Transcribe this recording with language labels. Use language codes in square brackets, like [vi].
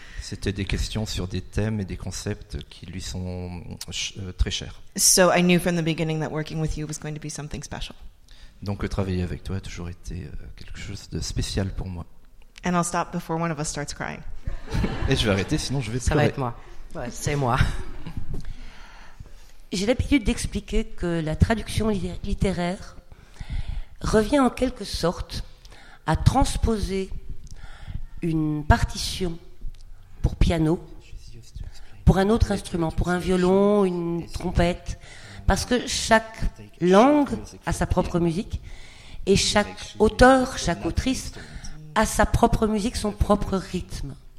[fr] C'était des questions sur des thèmes et des concepts qui lui sont très chers. [en] So I knew from the beginning that working with you was going to be something special. [fr] Donc travailler avec toi a toujours été quelque chose de spécial pour moi. [en] And I'll stop before one of us starts crying. [fr] Et je vais arrêter, sinon je vais pleurer. Ça va être moi. Ouais, c'est moi. J'ai l'habitude d'expliquer que la traduction littéraire revient en quelque sorte à transposer une partition pour piano, pour un autre instrument, pour un violon, une trompette, parce que chaque langue a sa propre musique et chaque auteur, chaque autrice a sa propre musique, son propre rythme.